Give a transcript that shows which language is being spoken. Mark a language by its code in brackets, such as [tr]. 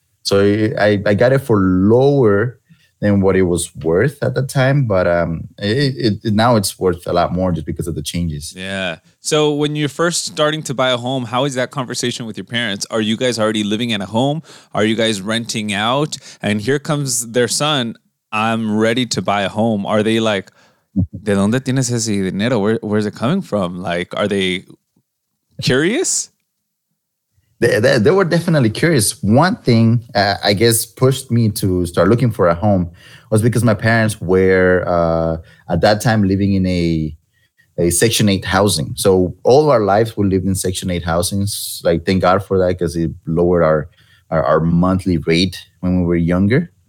[en] So I got it for lower than what it was worth at the time. But now it's worth a lot more just because of the changes. Yeah. So when you're first starting to buy a home, how is that conversation with your parents? Are you guys already living in a home? Are you guys renting out? And here comes their son. I'm ready to buy a home. Are they like, [es] ¿de dónde tienes ese dinero? [en] Where is it coming from? Like, are they curious? They were definitely curious. One thing I guess pushed me to start looking for a home was because my parents were at that time living in a Section 8 housing. So all our lives we lived in Section 8 housings. Like, thank God for that because it lowered our monthly rate when we were younger.